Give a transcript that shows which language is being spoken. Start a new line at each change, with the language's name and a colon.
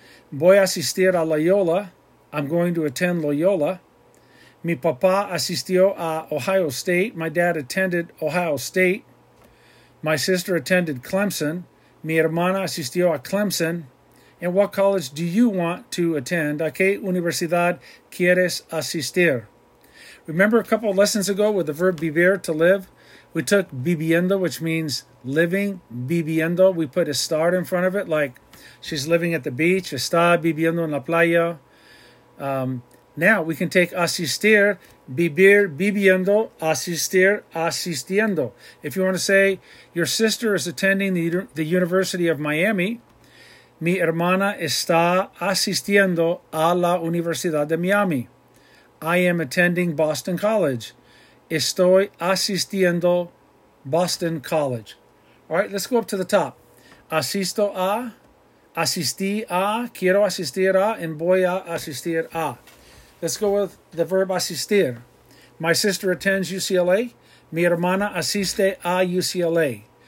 Spanish: Voy a asistir a Loyola,
English: I'm going to attend Loyola.
Spanish: Mi papá asistió a Ohio State,
English: my dad attended Ohio State. My sister attended Clemson,
Spanish: mi hermana asistió a Clemson.
English: And what college do you want to attend?
Spanish: ¿A qué universidad quieres asistir?
English: Remember a couple of lessons ago with the verb vivir, to live? We took viviendo, which means living, viviendo. We put estar in front of it, like she's living at the beach,
Spanish: está viviendo en la playa.
English: Now we can take asistir, vivir, viviendo, asistir, asistiendo. If you want to say, your sister is attending the University of Miami,
Spanish: mi hermana está asistiendo a la Universidad de Miami.
English: I am attending Boston College.
Spanish: Estoy asistiendo Boston College.
English: All right, let's go up to the top.
Spanish: Asisto a, asistí a, quiero asistir a, and voy a asistir a.
English: Let's go with the verb asistir. My sister attends UCLA.
Spanish: Mi hermana asiste a UCLA.